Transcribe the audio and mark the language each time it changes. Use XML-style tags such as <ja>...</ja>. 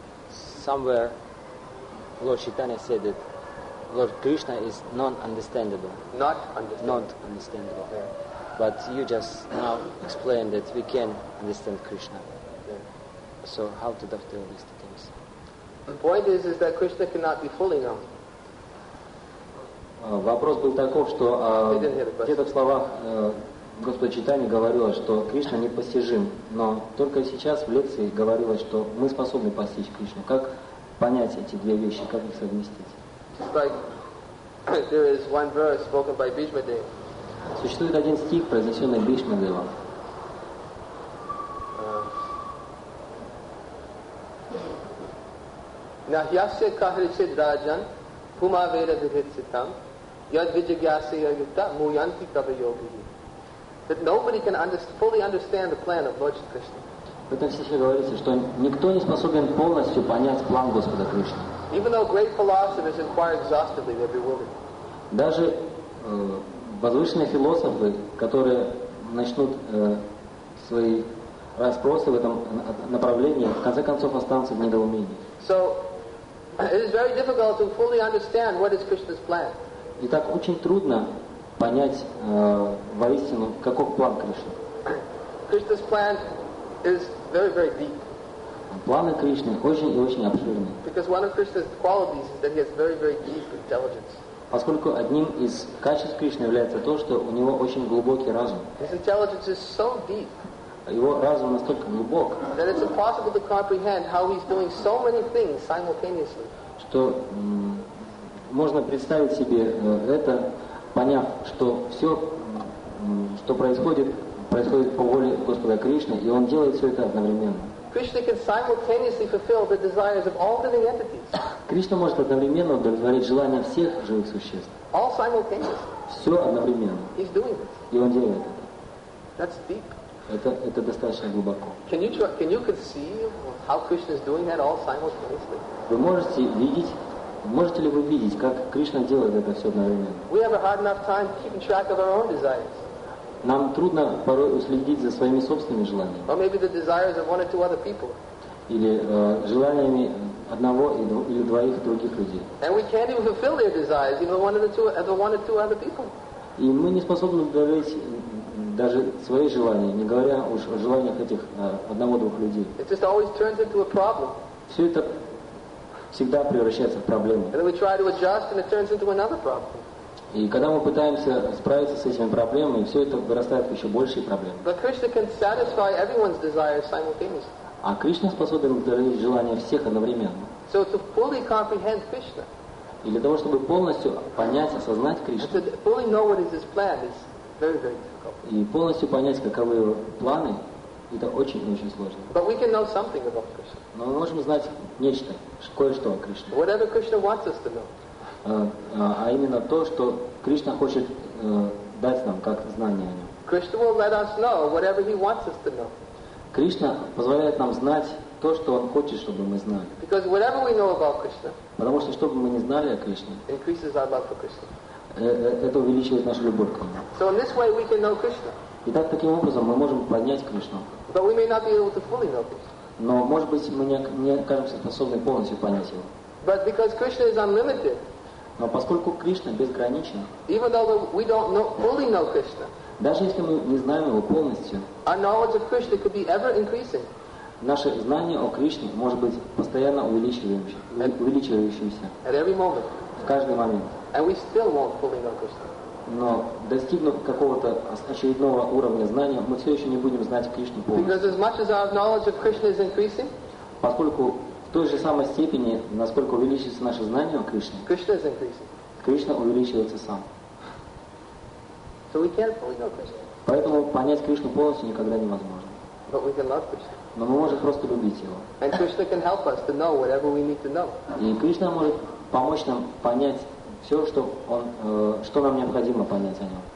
<en>Somewhere, Lord Chaitanya said that Lord Krishna is non-understandable. Not understandable. Not understandable. Yeah. But you just now explained that we can understand Krishna. Yeah. So how to dovetail these things? The point is that Krishna cannot be fully known.</en> <ru>Вопрос был таков, что где-то в словах Господа Чайтаньи говорилось, что Кришна непостижим. Но только сейчас в лекции говорилось, что мы способны постичь Кришну. Как понять эти две вещи, как их совместить?</ru> <en>Just like there is one verse spoken by Bhishma Dev.</en> <ru>Существует один стих, произнесенный Бхишмадевом.</ru> <sa>Нахьяся кахричит раджан, пума веда вихитситам, яд виджигьяса яйута муянти кава йогихи.</sa> <en>That nobody can fully understand the plan of Lord Shri Krishna.</en> <ru>В этом стихе говорится, что никто не способен полностью понять план Господа Кришны.</ru> <en>Even though great philosophers inquire exhaustively, they're bewildered.</en> <ru>Даже возвышенные философы, которые начнут свои расспросы в этом направлении, в конце концов останутся в недоумении.</ru> <en>So, it is very difficult to fully understand what is Krishna's plan.</en> <ru>Итак, очень трудно понять воистину, каков план Кришны.</ru> <en>Krishna's plan is very, very deep.</en> <ru>Планы Кришны очень и очень обширны.</ru> <en>Because one of Krishna's qualities is that he has very, very deep intelligence.</en> <ru>Поскольку одним из качеств Кришны является то, что у него очень глубокий разум.</ru> <en>His intelligence is so deep,</en> <ru>его разум настолько глубок,</ru> <en>that it's impossible to comprehend how he's doing so many things simultaneously.</en> <ru>Что можно представить себе это, поняв, что все, что происходит по воле Господа Кришны, и он делает все это одновременно.</ru> <en>Krishna can simultaneously fulfill the desires of all living entities.</en> <ru>Кришна может одновременно удовлетворить желания всех живых существ.</ru> <en>All simultaneously.</en> <ru>Все одновременно.</ru> <en>He's doing this.</en> <ru>И он делает это.</ru> <en>That's deep.</en> <ru>Это достаточно глубоко.</ru> <en>Can you conceive how Krishna is doing that all simultaneously?</en> <ru>Можете ли вы видеть, как Кришна делает это все одновременно?</ru> <en>We have a hard enough time keeping track of our own desires.</en> <ru>Нам трудно порой уследить за своими собственными желаниями.</ru> <en>Or maybe the desires of one or two other people.</en> <ru>Или желаниями одного или двоих других людей.</ru> <en>And we can't even fulfill their desires, even one or two other people.</en> <ru>И мы не способны удовлетворить даже свои желания, не говоря уж о желаниях этих одного-двух людей.</ru> <en>It just always turns into a problem.</en> <ru>Все это всегда превращается в проблему.</ru> <en>And then we try to adjust and it turns into another problem.</en> <ru>И когда мы пытаемся справиться с этими проблемами, все это вырастает в еще большие проблемы.</ru> <en>But Krishna can satisfy everyone's desires simultaneously.</en> <ru>А Кришна способен удовлетворить желания всех одновременно.</ru> <en>So to fully comprehend Krishna.</en> <ru>И для того, чтобы полностью понять, осознать Кришну.</ru> <en>To fully know what is his plan is very, very difficult.</en> <ru>И полностью понять, каковы его планы, это очень-очень сложно.</ru> <en>But we can know something about Krishna.</en> <ru>Но мы можем знать нечто, кое-что о Кришне.</ru> <en>Whatever Krishna wants us to know.</en> <ru>А именно то, что Кришна хочет дать нам как знание о нем.</ru> <en>Krishna will let us know whatever he wants us to know.</en> <ru>Кришна позволяет нам знать то, что Он хочет, чтобы мы знали.</ru> <en>Because whatever we know about Krishna,</en> <ru>потому что что бы мы ни знали о Кришне,</ru> <en>increases our love for Krishna.</en> <ru>Это увеличивает нашу любовь к Нему.</ru> <en>So in this way we can know Krishna.</en> <ru>Итак, таким образом мы можем понять Кришну.</ru> <en>But we may not be able to fully know Krishna.</en> <ru>Но, может быть, мы не окажемся способны полностью понять Его.</ru> <en>But because Krishna is unlimited,</en> <ru>но поскольку Кришна безграничен,</ru> <en>even though we don't know, fully know Krishna,</en> <ru>даже если мы не знаем Его полностью,</ru> <en>our knowledge of Krishna could be ever increasing.</en> <ru>Наше знание о Кришне может быть постоянно увеличивающимся.</ru> <en>At every moment.</en> <ru>В каждый момент.</ru> <en>And we still won't fully know Krishna.</en> <ru>Но достигнув какого-то очередного уровня знания, мы все еще не будем знать Кришну полностью.</ru> <en>Because as much as our knowledge of Krishna is increasing,</en> <ru>поскольку в той же самой степени, насколько увеличится наше знание о Кришне,</ru> <en>Krishna is increasing.</en> <ru>Кришна увеличивается сам.</ru> <en>So we can't fully know Krishna.</en> <ru>Поэтому понять Кришну полностью никогда невозможно.</ru> <en>But we can love Krishna.</en> <ru>Но мы можем просто любить Его.</ru> <en>And Krishna can help us to know whatever we need to know.</en> <ru>И Кришна может помочь нам понять все, что он, что нам необходимо понять о нем.</ru>